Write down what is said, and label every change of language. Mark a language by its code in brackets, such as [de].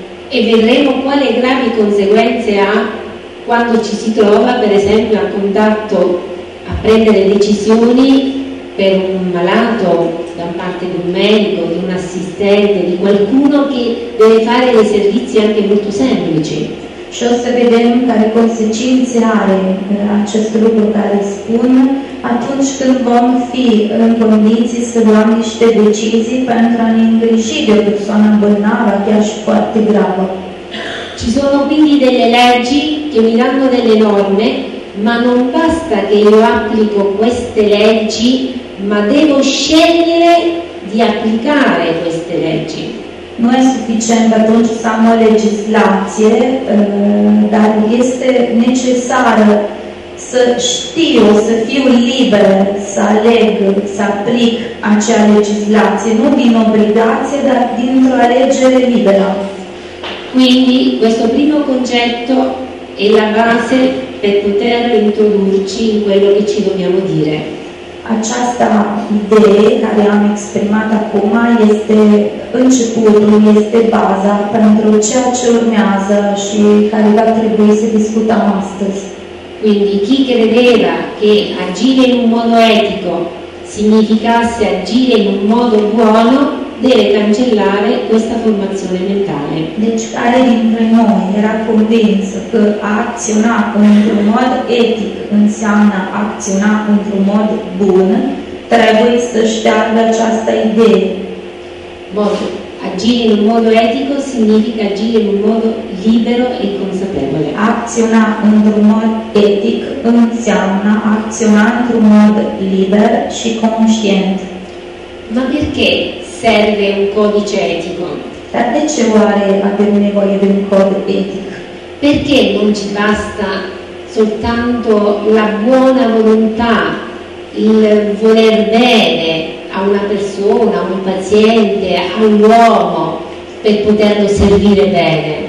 [it] E vedremo quali gravi conseguenze ha quando ci si trova, per esempio, a contatto, a prendere decisioni per un malato da parte di un medico, di un assistente, di qualcuno che deve fare dei servizi anche molto semplici. Ci sta vedendo quali conseguenze ha questo [ro] lucro che spune, atunci când vom fi în condiții să luăm niște decizii pentru a ne îngriji de o persoană bolnavă, chiar și foarte gravă. [it] Ci sono quindi delle leggi che mi danno delle norme, ma non basta che io applico queste leggi, ma devo scegliere di applicare queste leggi. [ro] Nu e suficient atunci să am o legislație, dar este necesară să știu, să fiu liberă, să aleg, să aplic acea legislație, nu din obligație, dar dintr-o alegere liberă. [it] Quindi questo primo concetto è la base per poter introdurci in quello che ci dobbiamo dire. [ro] Această idee care am exprimat acum este începutul, este baza pentru ceea ce urmează și care va trebui să discutăm astăzi. [it] Quindi chi credeva che agire in un modo etico significasse agire in un modo buono deve cancellare questa formazione mentale. [ro] Deci care dintre noi era convinsă că a acționa într-un mod etic înseamnă a acționa într-un mod bun, trebuie să șteargă această idee. [it] Bun, agire in un modo etico significa agire in un modo libero e consapevole. [ro] Acționa într-un mod etic înseamnă a acționa într-un mod liber și conștient. [it] Ma perché serve un codice etico? [ro] Dar de ce oare avem nevoie de un cod etic? [it] Perché non ci basta soltanto la buona volontà, il voler bene a una persona, a un paziente, a un uomo, per poterlo servire bene?